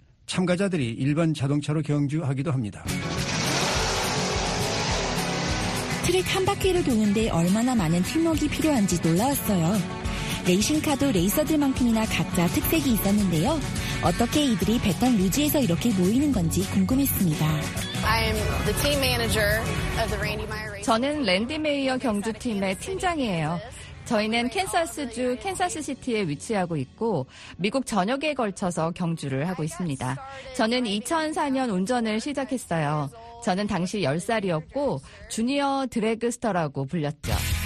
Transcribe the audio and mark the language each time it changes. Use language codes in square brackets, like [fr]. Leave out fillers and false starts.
[ko] 참가자들이 일반 자동차로 경주하기도 합니다. 트랙 한 바퀴를 도는데 얼마나 많은 팀워크가 필요한지 놀라웠어요. 레이싱카도 레이서들만큼이나 각자 특색이 있었는데요. 어떻게 이들이 베턴 루지에서 이렇게 모이는 건지 궁금했습니다. [en] I am the team manager of the Randy Meyer Race. [ko] 저는 랜디 메이어 경주팀의 팀장이에요. 저희는 캔사스주 캔사스 시티에 위치하고 있고 미국 전역에 걸쳐서 경주를 하고 있습니다. 저는 2004년 운전을 시작했어요. 저는 당시 10살이었고 주니어 드래그스터라고 불렸죠.